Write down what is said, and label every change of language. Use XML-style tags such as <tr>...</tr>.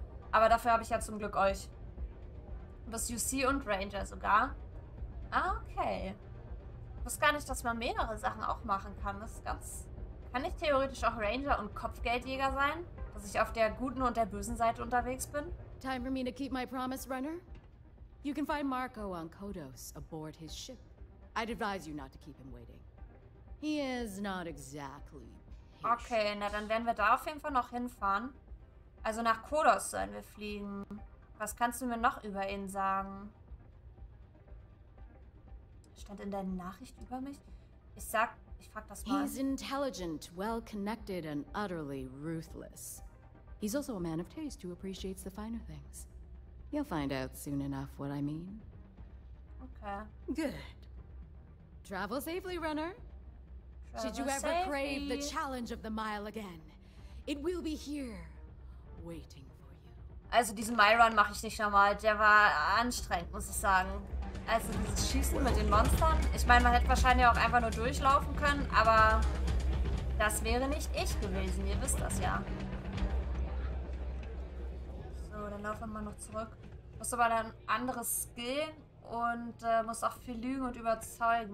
<de>Aber dafür habe ich ja zum Glück euch. Das UC und Ranger sogar. Ah, okay. Ich wusste gar nicht, dass man mehrere Sachen auch machen kann. Das ist ganz... Kann ich theoretisch auch Ranger und Kopfgeldjäger sein? Dass ich auf der guten und der bösen Seite unterwegs bin?</de> <en>Time for me to keep my promise, Runner. You can find Marco on Kodos aboard his ship. I'd advise you not to keep him waiting. He is not exactly patient.</en> <de>Okay, na dann werden wir da auf jeden Fall noch hinfahren. Also nach Kodos sollen wir fliegen. Was kannst du mir noch über ihn sagen? Stand in deiner Nachricht über mich? Ich frag das mal.</de> <en>He's intelligent, well connected and utterly ruthless. He's also a man of taste who appreciates the finer things. You'll find out soon enough what I mean. Okay. Good. Travel safely, Runner. Should you ever crave the challenge of the mile again, it will be here, waiting for you.</en> <de>Also diesen Mile Run mache ich nicht nochmal. Der war anstrengend, muss ich sagen. Also dieses Schießen mit den Monstern. Ich meine, man hätte wahrscheinlich auch einfach nur durchlaufen können, aber das wäre nicht ich gewesen. Ihr wisst das ja. So, dann laufen wir mal noch zurück. Muss aber dann anderes Skill und muss auch viel lügen und überzeugen.</de>